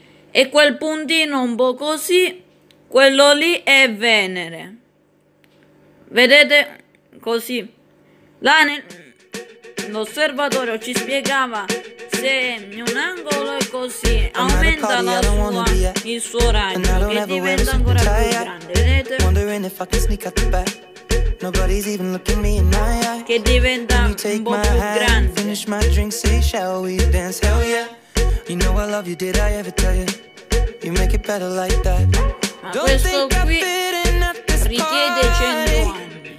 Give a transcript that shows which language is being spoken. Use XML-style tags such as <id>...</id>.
<it>E quel puntino un po' così, quello lì è Venere. Vedete? Così. Là l'osservatorio ci spiegava se un angolo è così, aumenta il suo raggio e diventa ancora più grande. Vedete?</it> <en>If I can sneak out the back. Nobody's even looking me in my eye.</en> <it>Che diventa un po' più grande.</it> <en>Finish my drink, say shall we dance? Hell yeah. You know I love you, did I ever tell you? You make it better like that.</en> <it>Ma questo qui richiede 100 anni.</it>